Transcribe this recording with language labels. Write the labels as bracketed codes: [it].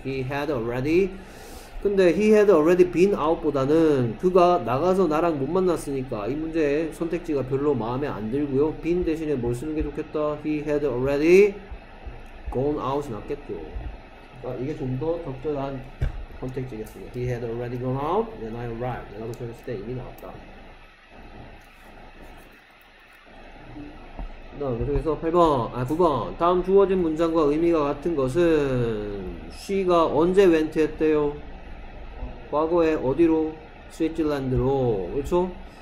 [en] He had already. [ko] 근데 [en] he had already been out [ko] 보다는 그가 나가서 나랑 못 만났으니까 이 문제의 선택지가 별로 마음에 안 들고요. been 대신에 뭘 쓰는 게 좋겠다. [en] he had already gone out [ko] 이 낫겠죠. 그러니까 이게 좀 더 적절한 선택지겠어요. [en] he had already gone out when I arrived. [ko] 내가 도착했을 때 이미 나왔다. 그래서 9번 다음 주어진 문장과 의미가 같은 것은 she가 언제 went 했대요? 과거에 어디로? 스위트질랜드로. 그렇죠?